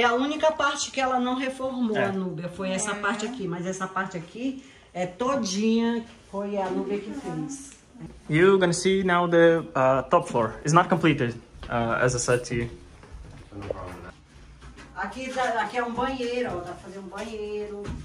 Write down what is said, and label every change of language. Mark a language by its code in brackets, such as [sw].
[pt] É a única parte que ela não reformou, a Núbia, foi essa parte aqui. Mas essa parte aqui é todinha, foi a Núbia que fez. [en] You're gonna see now the top floor. It's not completed, as I said to you. [pt] Aqui é um banheiro, ó, dá pra fazer um banheiro.